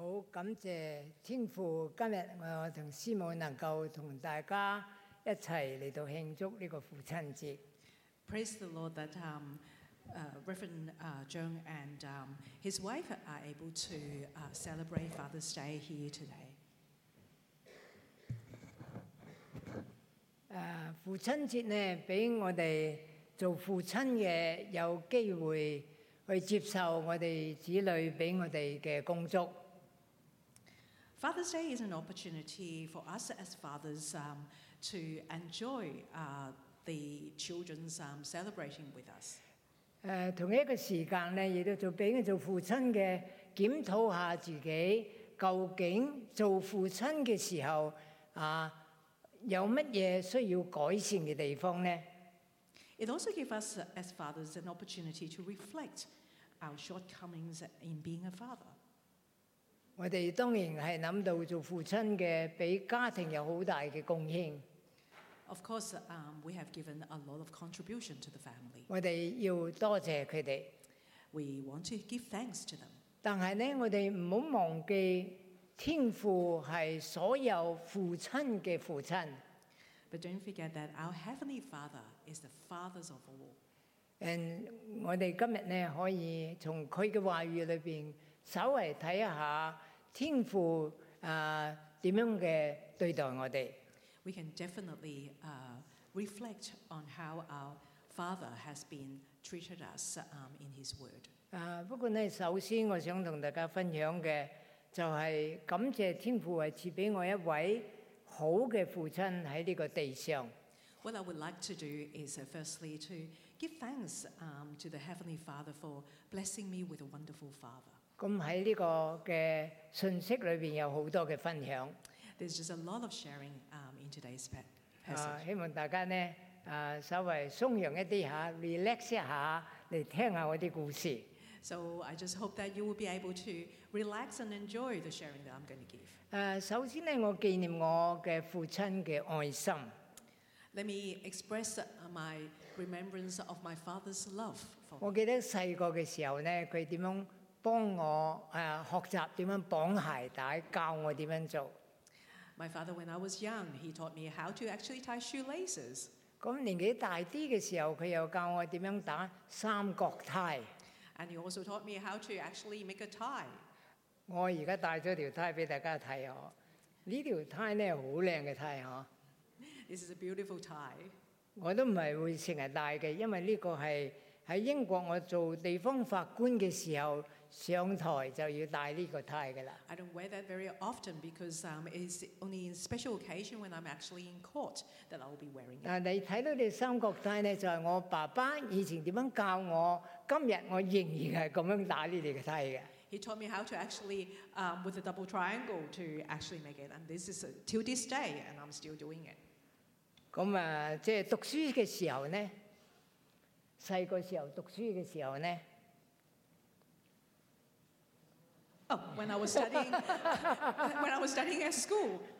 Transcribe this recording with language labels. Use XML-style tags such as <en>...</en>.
<yue>感謝天父，今日我和師母能夠和大家一起來到慶祝這個父親節。</yue> <en>Praise the Lord that Reverend Zheng and his wife are able to celebrate Father's Day here today.</en> <yue>父親節呢，俾我哋做父親嘅有機會去接受我哋子女俾我哋嘅恭祝。</yue> <en>Father's Day is an opportunity for us as fathers to enjoy the children's celebrating with us.</en> <yue>同一個時間咧，亦都做俾做父親嘅檢討下自己，究竟做父親嘅時候有乜嘢需要改善嘅地方咧？</yue> <en>It also gives us as fathers an opportunity to reflect our shortcomings in being a father.</en> <yue>我哋當然係諗到做父親嘅俾家庭有好大嘅貢獻。</yue> <en>Of course, we have given a lot of contribution to the family.</en> <yue>我哋要多謝佢哋。</yue> <en>We want to give thanks to them.</en> <yue>但係咧，我哋唔好忘記天父係所有父親嘅父親。</yue> <en>But don't forget that our Heavenly Father is the Father of all.</en> <yue>And 我哋今日咧可以從佢嘅話語裏邊稍微睇一下天父點樣嘅對待我哋。</yue> <en>We can definitely reflect on how our Father has been treated us in His Word.</en> <yue>不過咧，首先我想同大家分享嘅就係感謝天父係賜俾我一位好嘅父親喺呢個地上。</yue> <en>What I would like to do is firstly to give thanks to the Heavenly Father for blessing me with a wonderful Father.</en> <yue>咁喺呢個嘅信息裏邊有好多嘅分享。</yue> <en>There's just a lot of sharing in today's passage.</en> <yue>希望大家呢稍微鬆揚一啲嚇 ，relax 一下嚟聽下我啲故事。</yue> <en>So I just hope that you will be able to relax and enjoy the sharing that I'm going to give.</en> <yue>首先咧，我紀念我嘅父親嘅愛心。</yue> <en>Let me express my remembrance of my father's love.</en> <yue>我記得細個嘅時候咧，佢點樣幫我學習點樣綁鞋帶，教我點樣做。</yue> <en>My father, when I was young, he taught me how to actually tie shoelaces.</en> <yue>咁年紀大啲嘅時候，佢又教我點樣打三角呔。</yue> <en>And he also taught me how to actually make a tie.</en> <yue>我而家戴咗條呔俾大家睇哦。呢條呔咧好靚嘅呔嗬。</yue> <en>This is a beautiful tie.</en> <yue>我都唔係會成日戴嘅，因為呢個係喺英國我做地方法官嘅時候。上台就要戴呢個呔噶啦。</yue> <en>I don't wear that very often because it's only in special occasion when I'm actually in court that I'll be wearing it.</en> <yue>但你睇到啲三角呔咧，就係我爸爸以前點樣教我，今日我仍然係咁樣戴呢啲嘅呔嘅。</yue> <en>He taught me how to actually with a double triangle to actually make it, and this is till this day, and I'm still doing it.</en> <yue>咁啊，即係讀書嘅時候咧，細個時候讀書嘅時候咧。</yue> <en>Oh, when I was studying, when I was studying at school.</en>